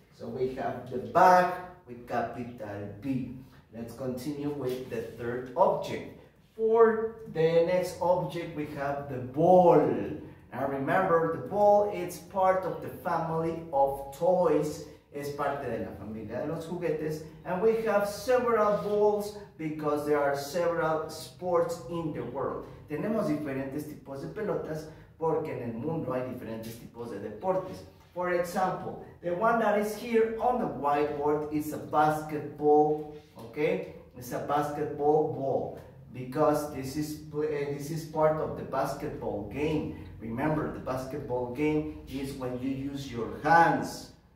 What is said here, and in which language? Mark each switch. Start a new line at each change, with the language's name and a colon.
English: So we have the bag with capital B. Let's continue with the third object. For the next object, we have the ball. Now remember, the ball is part of the family of toys.
Spanish: Es parte de la familia de los juguetes.
English: And we have several balls because there are several sports in the world.
Spanish: Tenemos diferentes tipos de pelotas porque en el mundo hay diferentes tipos de deportes.
English: For example, the one that is here on the whiteboard is a basketball, okay? It's a basketball ball because this is part of the basketball game. Remember, the basketball game is when you use your hands.